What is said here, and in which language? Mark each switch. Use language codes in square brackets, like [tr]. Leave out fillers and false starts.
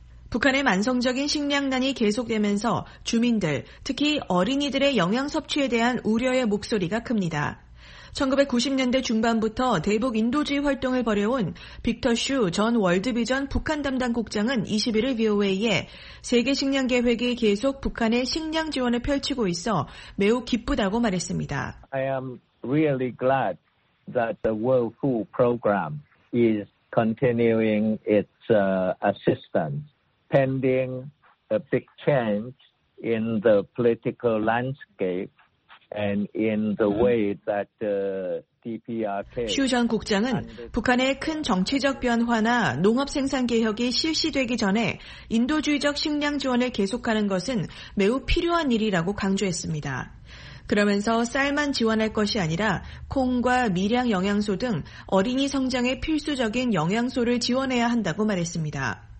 [ko] 북한의 만성적인 식량난이 계속되면서 주민들, 특히 어린이들의 영양 섭취에 대한 우려의 목소리가 큽니다. 1990년대 중반부터 대북 인도주의 활동을 벌여온 빅터 슈 전 월드비전 북한 담당 국장은 21일 VOA에 세계 식량계획이 계속 북한에 식량 지원을 펼치고 있어 매우 기쁘다고 말했습니다. [en] I am really glad that the World Food Program is continuing its assistance pending a big change in the political landscape. And in the way that DPRK [ko] 슈 전 국장은 북한의 큰 정치적 변화나 농업 생산 개혁이 실시되기 전에 인도주의적 식량 지원을 계속하는 것은 매우 필요한 일이라고 강조했습니다. 그러면서 쌀만 지원할 것이 아니라 콩과 미량 영양소 등 어린이 성장에 필수적인 영양소를 지원해야 한다고 말했습니다.